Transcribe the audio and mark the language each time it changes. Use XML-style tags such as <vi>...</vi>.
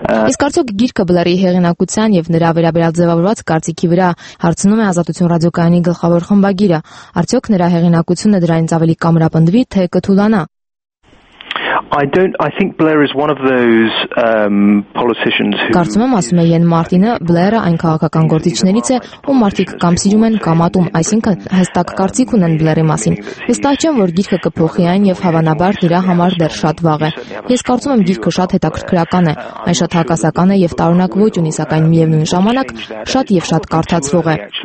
<hy>Իսկ արդյոք գիրքը Բլերի հեղինակության եւ նրա վերաբերյալ ձևավորված կարծիքի վրա հարցնում է Ազատություն ռադիոկայանի գլխավոր խմբագիրը, արդյոք նրա հեղինակությունը դրանից ավելի կամրապնդվի, թե կթուլանա։</hy> <en>I think Blair is one of those politicians who</en> <hy>Կարծում եմ, ասում է Յեն Մարտինը, Բլերը այն քաղաքական գործիչներից է, ում մարդիկ կամ սիրում են, կամ ատում, այսինքն հստակ կարծիք ունեն Բլերի մասին։ Հստակ չեմ, որ գիրքը կփոխի այն, եւ հավանաբար դրա համար դեռ շատ վաղ է։ Ես կարծում եմ, գիրքը շատ հետաքրքրական է, այն շատ հակասական է եւ տարօրինակ ոչ ունի, սակայն միևնույն ժամանակ շատ եւ շատ կարդացվող է։</hy>